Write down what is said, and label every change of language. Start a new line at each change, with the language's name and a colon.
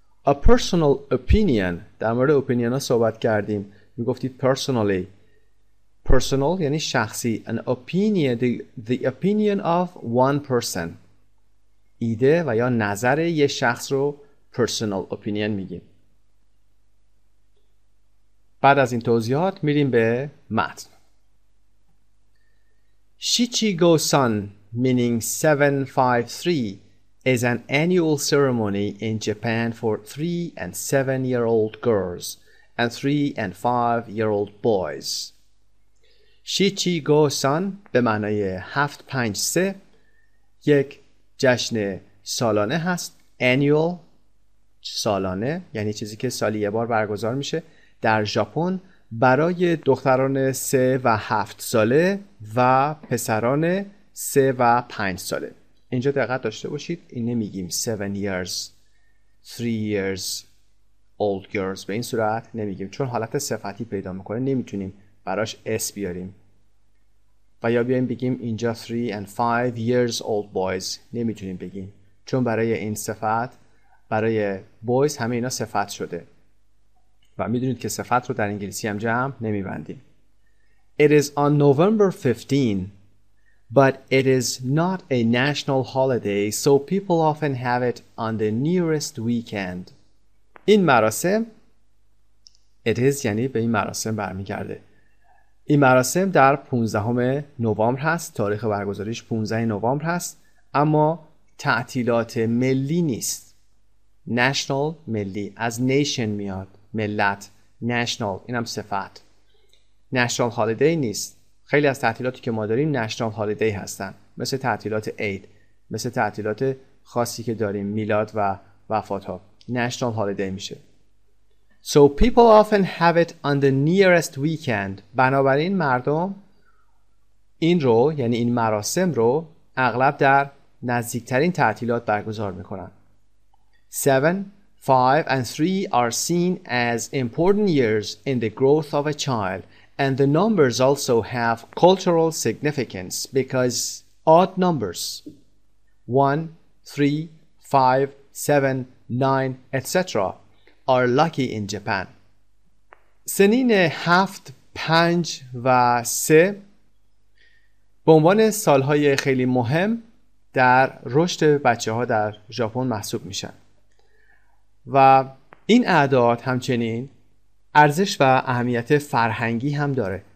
English: a personal opinion،
Persian: در مورد opinion ها صحبت کردیم، میگفتید personally، personal یعنی شخصی،
English: an opinion the opinion of one person،
Persian: ایده و یا نظر یه شخص رو
English: personal opinion
Persian: میگیم. بعد از این توضیحات میریم به متن.
English: Shichigo-san, meaning 753, is an annual ceremony in Japan for 3 and 7 year old girls and 3 and 5 year old boys.
Persian: Shichigo-san به معنای 753 یک جشن سالانه هست. annual سالانه یعنی چیزی که سالی یه بار برگزار میشه در ژاپن برای دختران 3 و 7 ساله و پسران 3 و 5 ساله. اینجا دقت داشته باشید، این نمیگیم
English: 7 years 3 years old girls،
Persian: به این صورت نمیگیم، چون حالت صفتی پیدا میکنه نمیتونیم براش اس بیاریم. و یا بیاییم بگیم اینجا
English: 3 and 5 years old boys،
Persian: نمیتونیم بگیم، چون برای این صفت، برای boys همه اینا صفت شده و میدونید که صفت رو در انگلیسی هم جمع نمیبندیم.
English: It is on November 15, but it is not a national holiday, so people often have it on the nearest weekend.
Persian: این مراسم،
English: it is
Persian: یعنی به این مراسم برمیگرده. این مراسم در 15 نوامبر هست، تاریخ برگزاریش 15 نوامبر هست، اما تعطیلات ملی نیست. نشنال ملی از نیشن میاد، ملت، نشنال اینم صفت. نشنال هالیدی نیست. خیلی از تعطیلاتی که ما داریم نشنال هالیدی هستن، مثل تعطیلات عید، مثل تعطیلات خاصی که داریم، میلاد و وفات ها، نشنال هالیدی میشه.
English: So people often have it on the nearest weekend.
Persian: بنابراین مردم این رو، یعنی این مراسم رو، اغلب در نزدیکترین تعطیلات برگزار میکنن.
English: 7, 5 and 3 are seen as important years in the growth of a child. And the numbers also have cultural significance because odd numbers, 1, 3, 5, 7, 9, etc., are lucky in Japan.
Persian: سنین 7, 5 و 3 به عنوان سالهای خیلی مهم در رشد بچه ها در ژاپن محسوب میشن. و این اعداد همچنین ارزش و اهمیت فرهنگی هم داره.